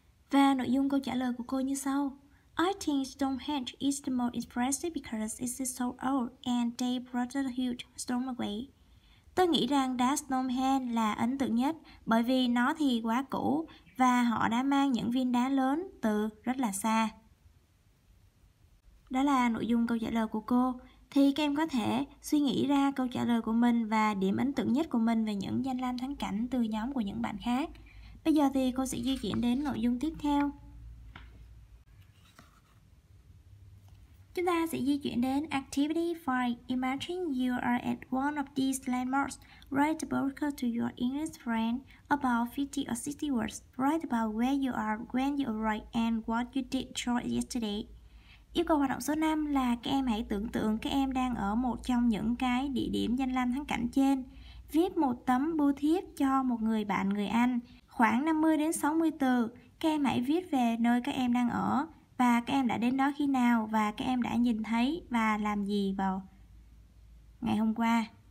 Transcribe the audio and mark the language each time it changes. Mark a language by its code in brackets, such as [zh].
[vi] Và nội dung câu trả lời của cô như sau. [en] I think Stonehenge is the most impressive because it is so old and they brought a huge stone away. [vi] Tôi nghĩ rằng đá Stonehenge là ấn tượng nhất bởi vì nó thì quá cũ và họ đã mang những viên đá lớn từ rất là xa. Đó là nội dung câu trả lời của cô. Thì các em có thể suy nghĩ ra câu trả lời của mình và điểm ấn tượng nhất của mình về những danh lam thắng cảnh từ nhóm của những bạn khác. Bây giờ thì cô sẽ di chuyển đến nội dung tiếp theo. Chúng ta sẽ di chuyển đến Activity 5. [en] Imagine you are at one of these landmarks. Write a postcard to your English friend about 50 or 60 words. Write about where you are, when you arrived, and what you did yesterday. [vi] Yêu cầu hoạt động số 5 là các em hãy tưởng tượng các em đang ở một trong những cái địa điểm danh lam thắng cảnh trên. Viết một tấm bưu thiếp cho một người bạn người Anh. Khoảng 50 đến 60 từ, các em hãy viết về nơi các em đang ở và các em đã đến đó khi nào và các em đã nhìn thấy và làm gì vào ngày hôm qua.